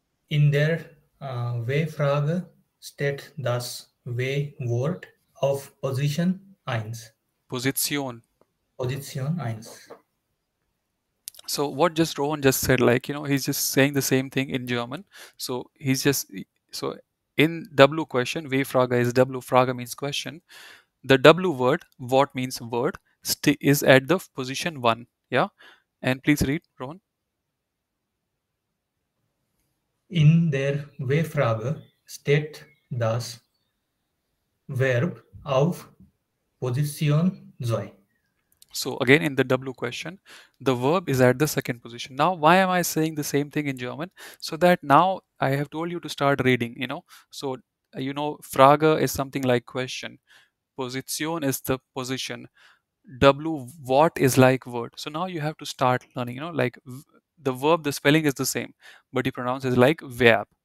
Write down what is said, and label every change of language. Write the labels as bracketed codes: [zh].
[de] In der W-Frage steht das W-Wort auf Position 1. Position. Position 1. [en] So what just Rohan just said, like, you know, he's just saying the same thing in German. So he's just, so in W question, W-Frage is W, Frage means question. The W word, what means word, is at the position 1. Yeah. And please read, Rohan. [de] In der W-Frage steht das Verb auf Position 2. [en] So again, in the W question, the verb is at the second position. Now, why am I saying the same thing in German? So that now I have told you to start reading, you know. So, you know, Frage is something like question. Position is the position. W, what is like word. So now you have to start learning, you know, like the verb, the spelling is the same, but you pronounce it like verb.